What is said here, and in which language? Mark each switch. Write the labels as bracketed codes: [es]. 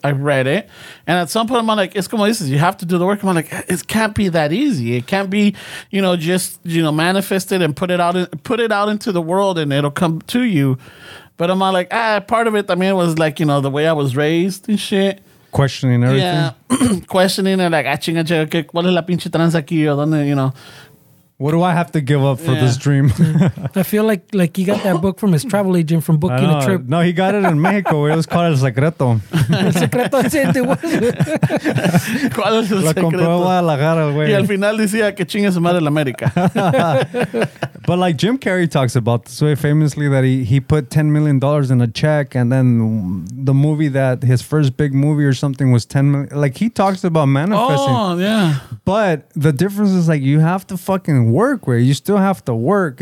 [en] I read it, and at some point I'm like, [es] es como dices, [en] you have to do the work. I'm like, it can't be that easy. It can't be, you know, just, you know, manifest it and put it out into the world and it'll come to you. But I'm like, part of it. I mean, it was like, you know, the way I was raised and shit. Questioning everything. Yeah. Questioning it, like, [es] chinga, ¿cuál es la pinche trans aquí? [en] Or donde, you know. What do I have to give up for this dream? I feel like he got that book from his travel agent from booking a trip. No, he got it in Mexico. It was called El Secreto. [es] El Secreto. ¿Cuál es el secreto? Lo compró a la cara, güey. Y al final decía que chinga su madre la América. [en] But like Jim Carrey talks about this way famously, that he put $10 million in a check, and then the movie, that his first big movie or something, was $10 million. Like, he talks about manifesting. Oh, yeah. But the difference is, like, you have to fucking work, where you still have to work.